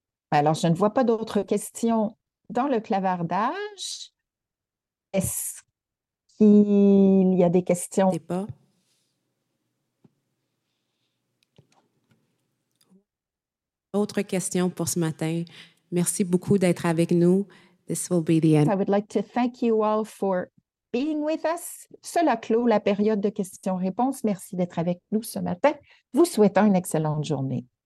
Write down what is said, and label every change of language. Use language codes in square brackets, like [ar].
[fr] Alors, je ne vois pas d'autres questions dans le clavardage. Est-ce qu'il y a des questions? Débat. Autre question pour ce matin. Merci beaucoup d'être avec nous. [en] This will be the end. I would like to thank you all for being with us. [fr] Cela clôt la période de questions-réponses. Merci d'être avec nous ce matin. Vous souhaitons une excellente journée.